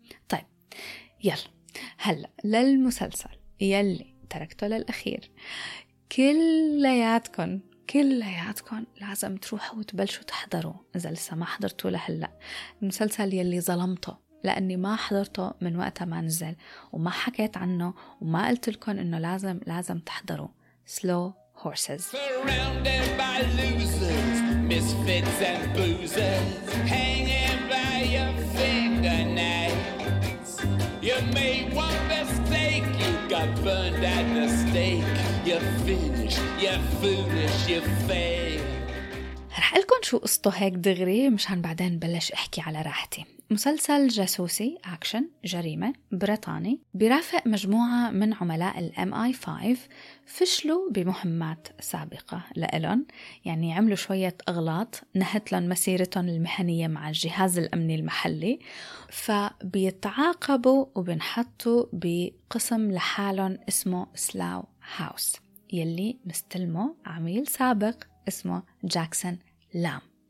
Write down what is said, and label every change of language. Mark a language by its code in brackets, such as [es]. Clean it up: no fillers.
[ar] طيب يلا هلا للمسلسل يلي تركته للأخير، كلياتكم لازم تروحوا وتبلشوا تحضروا إذا لسه ما حضرتوا لهلا. المسلسل يلي ظلمته لأني ما حضرته من وقت ما نزل وما حكيت عنه وما قلت لكم إنه لازم تحضروا، سلو Horses. [en] Surrounded by losers, misfits and boozers, hanging by your fingernails. You made one mistake, you got burned at the stake. You're finished, you're foolish, you fail. [ar] رح قلكن شو قصته هيك دغري مشان بعدين بلش احكي على راحتي. مسلسل جاسوسي أكشن جريمة بريطاني بيرافق مجموعة من عملاء الـ MI5 فشلوا بمهمات سابقة لإلهم، يعني عملوا شوية أغلاط نهت لهم مسيرتهم المهنية مع الجهاز الأمني المحلي، فبيتعاقبوا وبنحطوا بقسم لحالهم اسمه سلاو هاوس، يلي مستلمه عميل سابق اسمه جاكسون لام.